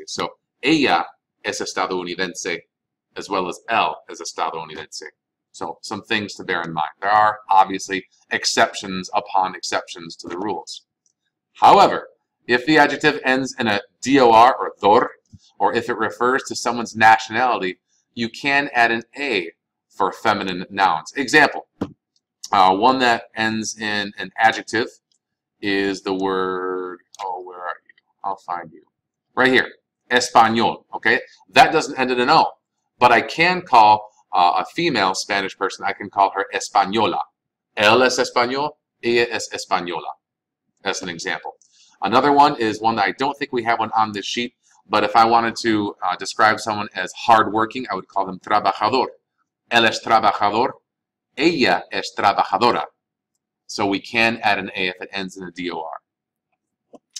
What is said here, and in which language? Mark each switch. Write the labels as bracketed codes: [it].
[en] So [es] ella es estadounidense [en] as well as [es] él es estadounidense. [en] So some things to bear in mind. There are obviously exceptions upon exceptions to the rules. However, if the adjective ends in a D-O-R or dor, or if it refers to someone's nationality, you can add an A for feminine nouns. Example, one that ends in an adjective is the word, oh, where are you? I'll find you. Right here, español, okay? That doesn't end in an O, but I can call a female Spanish person, I can call her española. [es] Él es español, ella es española, [en] as an example. Another one is one that I don't think we have one on this sheet, but if I wanted to describe someone as hardworking, I would call them trabajador. [es] Él es trabajador, ella es trabajadora. [en] So we can add an A if it ends in a D-O-R.